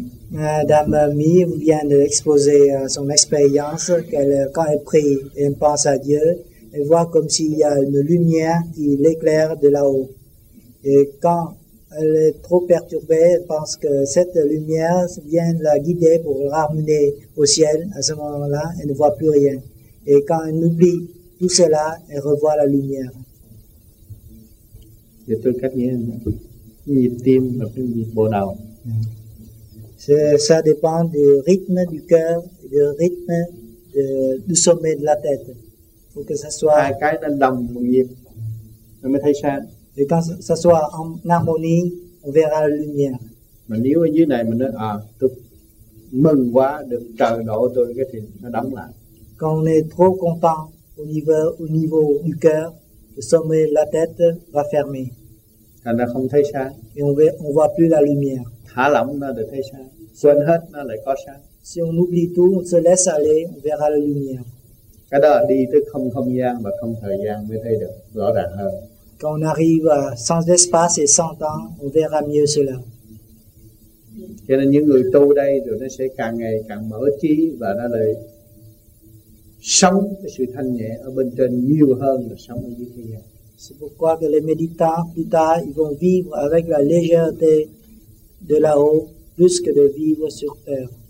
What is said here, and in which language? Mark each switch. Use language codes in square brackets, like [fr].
[fr] Madame Mi vient d'exposer son expérience, qu'elle, quand elle prie, elle pense à Dieu, elle voit comme s'il y a une lumière qui l'éclaire de là-haut. Et quand elle est trop perturbée, elle pense que cette lumière vient la guider pour la ramener au ciel. À ce moment-là, elle ne voit plus rien. Et quand elle oublie tout cela, elle revoit la lumière. Je te connais. [vi] Nhịp tim và cái nhịp bộ đầu. [fr] Ça dépend du rythme du cœur, du rythme du sommet de la tête. Faut que ça soit [vi] hai cái nó đồng một nhịp. Rồi mới thấy sáng. [fr] Et quand ça soit en harmonie, on verra la lumière. [vi] Mà nếu ở dưới này mình nói à, tôi mừng quá được trời độ tôi cái thì nó đóng lại. [fr] Quand on est trop content au niveau du cœur, le sommet de la tête va fermer. [vi] Thành ra không thấy sáng. [fr] On voit plus la lumière. [vi] Thả lỏng nó được thấy sáng. Xuân hết nó lại có sáng. [fr] Si on oublie tout, on se laisse aller, on verra la lumière. [vi] Cái đó đi tới không gian và không thời gian mới thấy được rõ ràng hơn. [fr] Quand on arrive sans espace et sans temps, on verra mieux cela. [vi] Cho nên những người tu đây rồi nó sẽ càng ngày càng mở trí và nó lại sống cái sự thanh nhẹ ở bên trên nhiều hơn là sống ở dưới thế gian. [fr] C'est pourquoi que les méditants, plus tard, ils vont vivre avec la légèreté de là-haut, plus que de vivre sur terre.